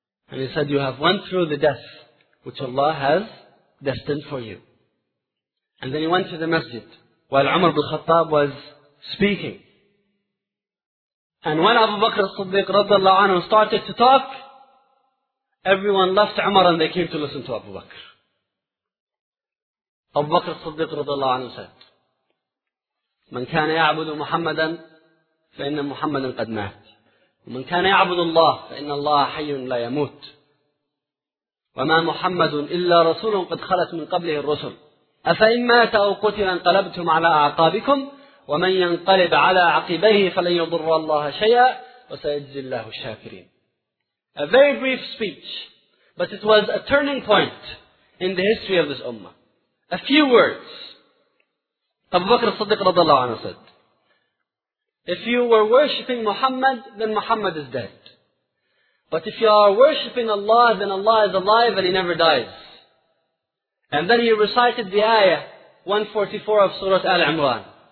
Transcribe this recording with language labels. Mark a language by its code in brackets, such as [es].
[en] And he said, you have went through the death which Allah has destined for you. And then he went to the masjid while Umar ibn Khattab was speaking. And when Abu Bakr as-Siddiq radiallahu anhu started to talk, everyone left Umar and they came to listen to Abu Bakr. Abu Bakr as-Siddiq radiallahu anhu said, [ar] من كان يعبد محمدا فإن محمد قد مات ومن كان يعبد الله فإن الله حي لا يموت وما محمد إلا رسول قد خلت من قبله الرسل أفإن مات أو قتل انقلبتم على أعقابكم ومن ينقلب على عقبيه فلن يضر الله شيئا وسيجزي الله الشاكرين [en] A very brief speech, but it was a turning point in the history of this ummah. A few words. Abu Bakr as-Siddiq radiallahu anhu said, If you were worshipping Muhammad, then Muhammad is dead. But if you are worshipping Allah, then Allah is alive and He never dies. And then he recited the ayah 144 of Surah Al-Imran.